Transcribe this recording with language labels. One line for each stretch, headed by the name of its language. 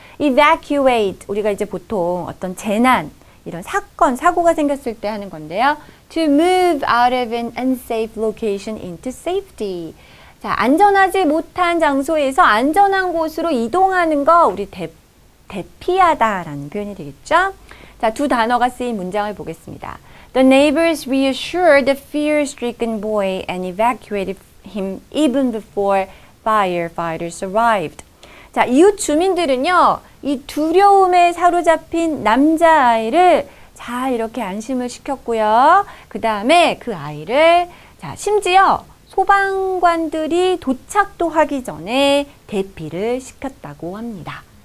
Korean: evacuate, 우리가 이제 보통 어떤 재난, 이런 사건, 사고가 생겼을 때 하는 건데요.
English: to move out of an unsafe location into safety.
Korean: 자, 안전하지 못한 장소에서 안전한 곳으로 이동하는 거 우리 대피하다 라는 표현이 되겠죠? 자, 두 단어가 쓰인 문장을 보겠습니다.
English: The neighbors reassured the fear-stricken boy and evacuated him even before firefighters arrived.
Korean: 자, 이웃 주민들은요, 이 두려움에 사로잡힌 남자아이를 잘 이렇게 안심을 시켰고요. 그 다음에 그 아이를, 자, 심지어 소방관들이 도착도 하기 전에 대피를 시켰다고 합니다.